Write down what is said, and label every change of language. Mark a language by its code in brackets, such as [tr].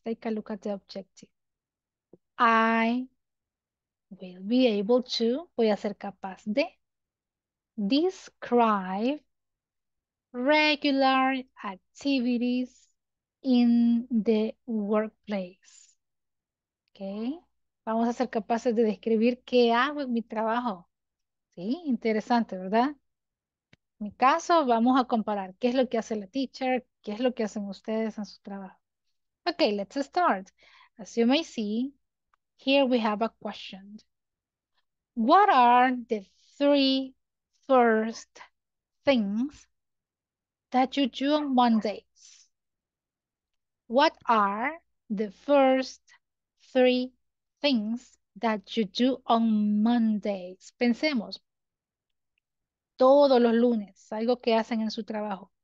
[en] Take a look at the objective. I will be able to, [es] voy a ser capaz de, [en] describe regular activities in the workplace. Okay. [es] Vamos a ser capaces de describir qué hago en mi trabajo. Sí, interesante, ¿verdad? En mi caso, vamos a comparar qué es lo que hace la teacher, qué es lo que hacen ustedes en su trabajo. [en] Okay, let's start. As you may see, here we have a question. What are the three first things that you do on Monday? What are the first three things that you do on Mondays? [es] Pensemos. Todos los lunes, algo que hacen en su trabajo.